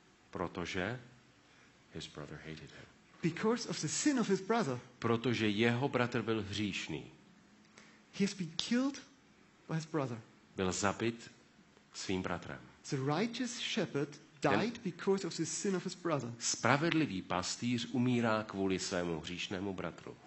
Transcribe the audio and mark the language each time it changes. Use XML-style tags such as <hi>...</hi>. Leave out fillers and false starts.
<cs>Protože</cs> <en>his brother hated him. Because of the sin of his brother.</en> <cs>Protože jeho bratr byl hříšný.</cs> <en>He has been killed by his brother.</en> <cs>Byl zabit svým bratrem.</cs> <en>The righteous shepherd died because of the sin of his brother.</en> <cs>Spravedlivý pastýř umírá kvůli svému hříšnému bratru.</cs>